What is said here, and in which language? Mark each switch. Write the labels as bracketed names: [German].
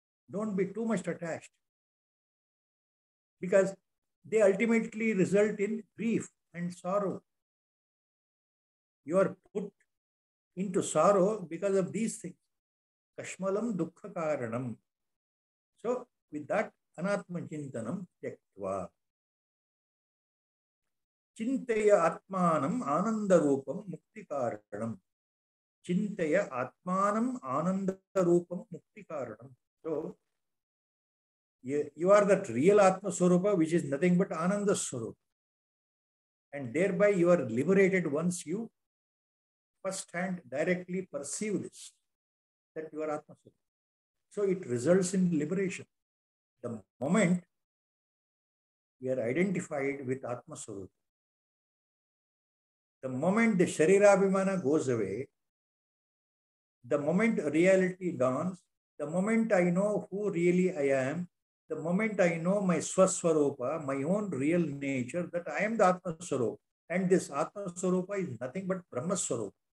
[English] Don't be too much attached, because they ultimately result in grief and sorrow. You are put into sorrow because of these things. [Sanskrit] ಕಶ್ಮಲಂ ದುಃಖ ಕಾರಣಂ. [English] so with that [Sanskrit] ಅನಾತ್ಮ ಚಿಂತನಂ ತ್ಯಕ್ತ್ವಾ ಚಿಂತೆಯ ಆತ್ಮಾನಂ ಆನಂದ ರೂಪಂ ಮುಕ್ತಿ ಕಾರಣಂ. ಚಿಂತೆಯ ಆತ್ಮಾನಂ ಆನಂದ ರೂಪಂ ಮುಕ್ತಿ ಕಾರಣಂ. [English] So you are that real ಆತ್ಮಸ್ವರೂಪ which is nothing but ಆನಂದ ಸ್ವರೂಪ, and thereby you are liberated once you first hand directly perceive this. That your atma soul. So it results in liberation. The moment we are identified with atma soul, the moment the sharira abhimana goes away, the moment reality dawns, the moment I know who really I am, the moment I know my swaswarupa, my own real nature, that I am the atma soul, and this atma soul is nothing but brahma soul.